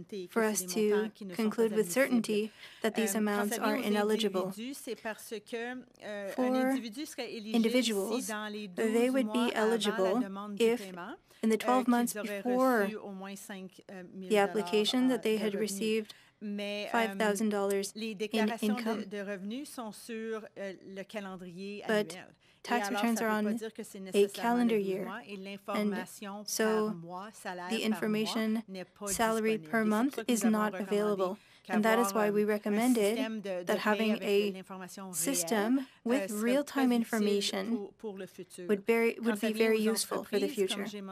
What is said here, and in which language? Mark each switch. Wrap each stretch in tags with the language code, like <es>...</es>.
<en>For us to conclude with certainty that these amounts are ineligible. For individuals, they would be eligible if, in the 12 months before the application, that they had received $5,000 in income.</en> <fr>Les déclarations de revenus sont sur le calendrier annuel.</fr> <en>Tax returns are on a calendar year, and so the information salary per month is not available. And that is why we recommended that having a system with real-time information would be very useful for the future.</en>